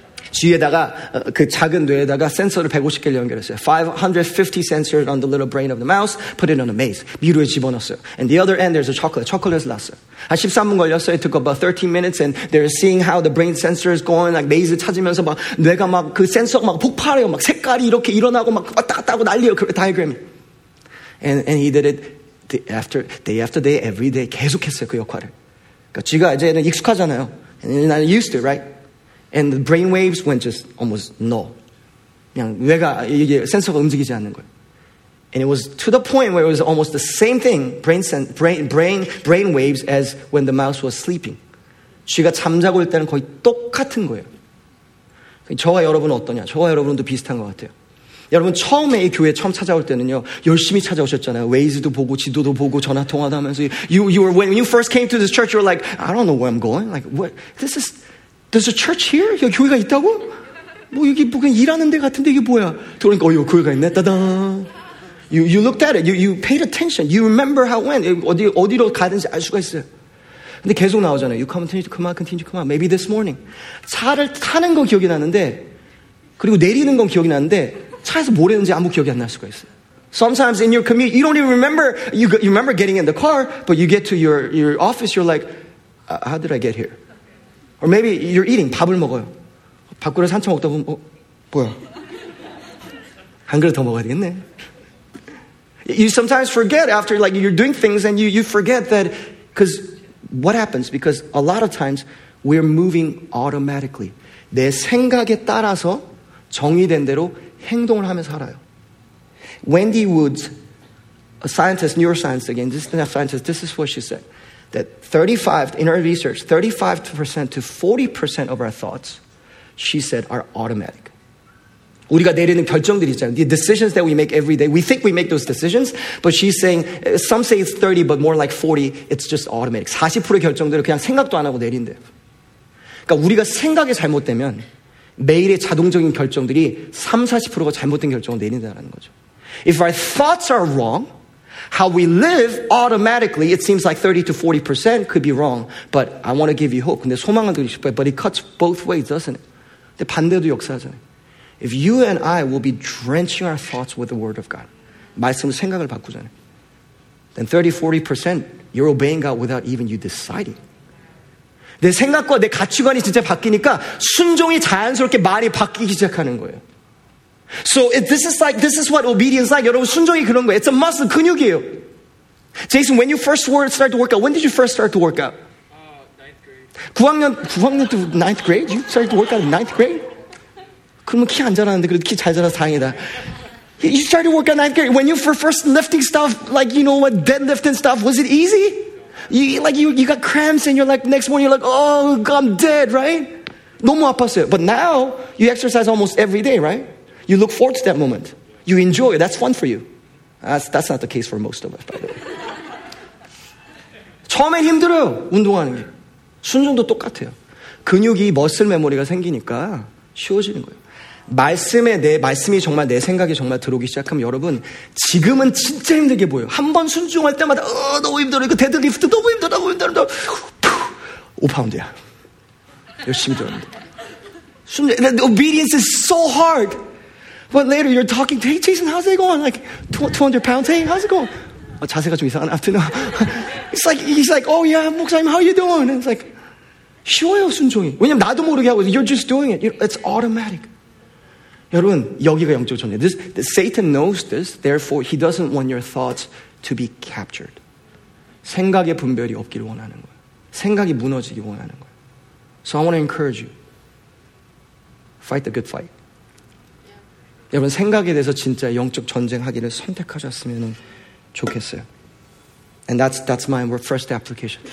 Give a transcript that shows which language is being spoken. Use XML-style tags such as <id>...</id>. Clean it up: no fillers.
<ko>쥐에다가 그 작은 뇌에다가 센서를 150개를 연결했어요.</ko> <en>550 sensors on the little brain of the mouse, put it on a maze.</en> <ko>미로에 집어넣었어요.</ko> <en>And the other end, there's a chocolate.</en> <ko>초콜릿을 놨어요. 한 13분 걸렸어요.</ko> <en>It took about 13 minutes, and they're seeing how the brain sensor is going, like maze</en> <ko>찾으면서 막 뇌가 막 그 센서가 막 폭발해요. 막 색깔이 이렇게 일어나고 막 왔다 갔다 하고 난리예요. 그 다이그램이.</ko> <en>And he did it. Day after day, every day,</en> <ko>계속했어요, 그 역할을. 그러니까 쥐가 이제는 익숙하잖아요.</ko> <en>And I used to, right? And the brain waves went just almost null.</en> <ko>그냥 뇌가 이게 센서가 움직이지 않는 거예요.</ko> <en>And it was to the point where it was almost the same thing, brain waves as when the mouse was sleeping.</en> <ko>쥐가 잠자고 있을 때는 거의 똑같은 거예요. 저와 여러분은 어떠냐? 저와 여러분도 비슷한 것 같아요. 여러분 처음에 이 교회 처음 찾아올 때는요 열심히 찾아오셨잖아요. 웨이즈도 보고 지도도 보고 전화 통화도 하면서</ko> <en>you were when you first came to this church you were like I don't know where I'm going like what this is there's a church here</en> <ko>여기 교회가 있다고 뭐 여기 뭐 그냥 일하는 데 같은데 이게 뭐야? 그러니까 여기 교회가 있네 따단</ko> <en>you looked at it you paid attention you remember how when</en> <ko>어디로 가든지 알 수가 있어요. 근데 계속 나오잖아요.</ko> <en>You continue to come on. Maybe this morning.</en> <ko>차를 타는 거 기억이 나는데, 그리고 내리는 건 기억이 나는데, 차에서 뭘 했는지 아무 기억이 안 날 수가 있어요.</ko> <en>Sometimes in your commute, you don't even remember, you remember getting in the car, but you get to your office, you're like, how did I get here? Or maybe you're eating,</en> <ko>밥을 먹어요. 밥그릇 한참 먹다 보면, 뭐야? 한 그릇 더 먹어야 되겠네.</ko> <en>You sometimes forget after, like, you're doing things and you forget that, because, What happens? Because a lot of times we're moving automatically.</en> <ko>내 생각에 따라서 정의된 대로 행동을 하며 살아요.</ko> <en>Wendy Woods, a scientist, neuroscientist again, this is a scientist, this is what she said. That 35, in her research, 35% to 40% of our thoughts, she said, are automatic.</en> <ko>우리가 내리는 결정들이 있잖아요.</ko> <en>The decisions that we make every day. We think we make those decisions, but she's saying, some say it's 30, but more like 40, it's just automatic.</en> <ko>40%의 결정들을 그냥 생각도 안 하고 내린대요. 그러니까 우리가 생각이 잘못되면 매일의 자동적인 결정들이 30, 40%가 잘못된 결정을 내린다는 거죠.</ko> <en>If our thoughts are wrong, how we live automatically, it seems like 30 to 40% could be wrong, but I want to give you hope.</en> <ko>근데 소망을 드리고 싶어요.</ko> <en>But it cuts both ways, doesn't it?</en> <ko>근데 반대도 역사하잖아요.</ko> <en>If you and I will be drenching our thoughts with the word of God,</en> <ko>말씀을 생각을 바꾸잖아요.</ko> <en>Then 30, 40% you're obeying God without even you deciding.</en> <ko>내 생각과 내 가치관이 진짜 바뀌니까 순종이 자연스럽게 말이 바뀌기 시작하는 거예요.</ko> <en>So this is what obedience is like.</en> <ko>여러분 순종이 그런 거예요.</ko> <en>It's a muscle,</en> <ko>근육이에요.</ko> <en>Jason, when you first started to work out, when did you first start to work out? 9학년 to 9th grade? You started to work out in 9th grade?</en> <ko>그러면 키 안 자랐는데 그래도 키 잘 자라서 다행이다.</ko> <en>You started working out 9th grade. When you were first lifting stuff, like you know what, deadlift and stuff, was it easy? You got cramps and you're like, next morning you're like, oh, I'm dead, right?</en> <ko>너무 아팠어요.</ko> <en>But now, you exercise almost every day, right? You look forward to that moment. You enjoy it. That's fun for you. That's not the case for most of us, by the way.</en> <ko>처음엔 힘들어요, 운동하는 게. 순종도 똑같아요. 근육이 머슬 메모리가 생기니까 쉬워지는 거예요. 말씀에 내 말씀이 정말 내 생각이 정말 들어오기 시작하면 여러분 지금은 진짜 힘들게 보여요. 한번 순종할 때마다 너무 힘들어. 이거 데드리프트 너무 힘들어. 너무 힘들어. 5파운드야. 열심히 들었는데.</ko> <en>순종, obedience is so hard. But later you're talking, hey Jason, how's it going? Like 200 pounds, hey, how's it going?</en> <ko>아, 자세가 좀 이상한</ko> <en>afternoon. It's like, he's like, oh yeah, 목사님, how are you doing? And it's like,</en> <ko>쉬워요, 순종이. 왜냐면 나도 모르게 하고 있어요.</ko> <en>You're just doing it. It's automatic.</en> <ko>여러분 여기가 영적 전쟁.</ko> <en>Satan knows this. Therefore, he doesn't want your thoughts to be captured.</en> <ko>생각의 분별이 없기를 원하는 거예요. 생각이 무너지기 원하는 거예요.</ko> <en>So I want to encourage you. Fight the good fight. Yeah.</en> <ko>여러분 생각에 대해서 진짜 영적 전쟁하기를 선택하셨으면 좋겠어요.</ko> <en>And that's my first application.</en>